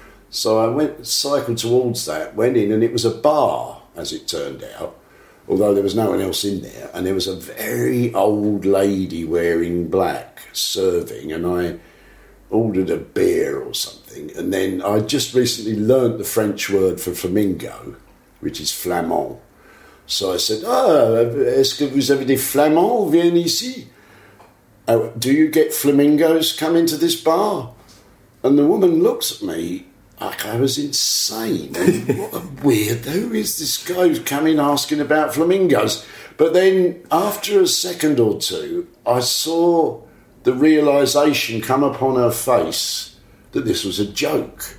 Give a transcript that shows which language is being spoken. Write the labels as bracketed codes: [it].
[en] So I went, cycled towards that, went in, and it was a bar, as it turned out. Although there was no one else in there, and there was a very old lady wearing black serving, and I ordered a beer or something, and then I just recently learnt the French word for flamingo, which is flamand. So I said, [fr] est-ce que vous avez des flamands, viennent ici? [en] Do you get flamingos come into this bar? And the woman looks at me, like I was insane. What a weirdo is this guy who's coming asking about flamingos? But then after a second or two, I saw the realisation come upon her face that this was a joke.